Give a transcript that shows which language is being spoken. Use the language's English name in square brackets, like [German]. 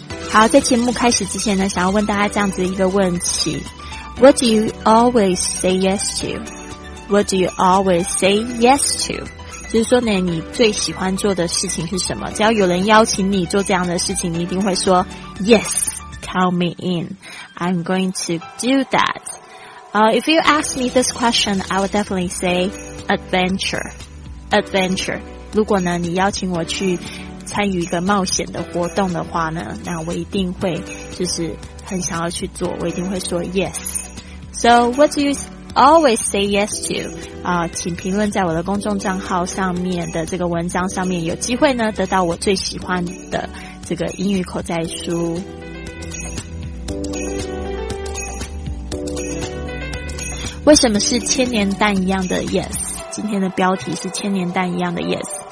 [Chinese] 好，在节目开始之前呢，想要问大家这样子一个问题 [English] What do you always say yes to? What do you always say yes to? [Chinese] 就是说呢，你最喜欢做的事情是什么？只要有人邀请你做这样的事情，你一定会说 [English] Yes, call me in. I'm going to do that. If you ask me this question, I would definitely say adventure. Adventure. [Chinese] 如果呢，你邀请我去参与一个冒险的活动的话呢，那我一定会就是很想要去做，我一定会说 yes. [English] So what do you always say yes to? [Chinese] 请评论在我的公众账号上面的这个文章上面，有机会呢得到我最喜欢的这个英语口袋书。为什么是千年蛋一样的 yes? 今天的标题是千年蛋一样的 yes。